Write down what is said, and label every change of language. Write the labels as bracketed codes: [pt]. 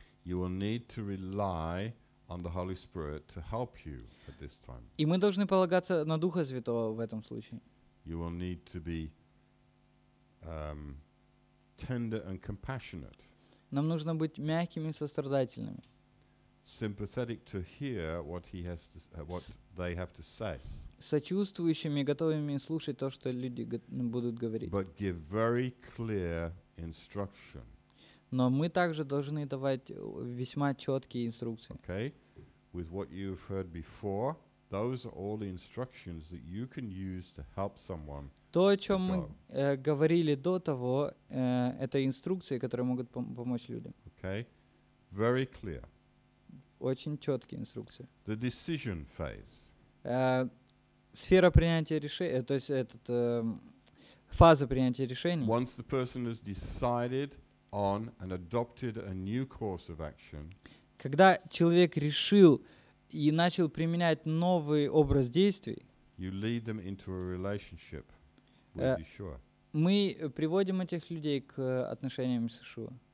[en] You will need to rely on the Holy Spirit to help you at this time. [ru] И мы должны полагаться на Духа Святого в этом случае. [en] You will need to be tender and compassionate. [ru] Нам нужно быть мягкими и сострадательными. [en] Sympathetic to hear what he has to, what they have to say. [ru] Сочувствующими, готовыми слушать то, что люди будут говорить. [en] But give very clear instruction. [ru] Но мы также должны давать весьма четкие инструкции. [en] Okay, with what you've heard before, those are all the instructions that you can use to help someone. [ru] То, о чем мы говорили до того, это инструкции, которые могут помочь людям. [en] Okay, very clear. [ru] Очень четкие инструкции. [en] The decision phase. [ru] Сфера принятия решения, то есть этот фаза принятия решений. [en] Once the person has decided on and adopted a new course of action. [ru] Когда человек решил и начал применять новый образ действий. [en] You lead them into a relationship with Yeshua. [ru] Мы приводим этих людей к отношениям с Иешуа.